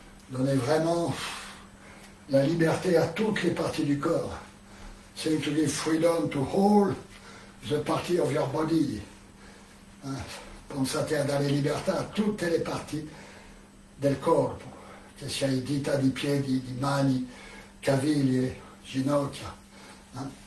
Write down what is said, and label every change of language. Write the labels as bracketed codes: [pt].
[fr] Donnez vraiment la liberté à toutes les parties du corps. [en] Seem to give freedom to all the parties of your body. Hein? [it] Pensate a dare libertà a tutte le parti del corpo. Che sia i dita, di piedi, di mani, caviglie, ginocchia, hein?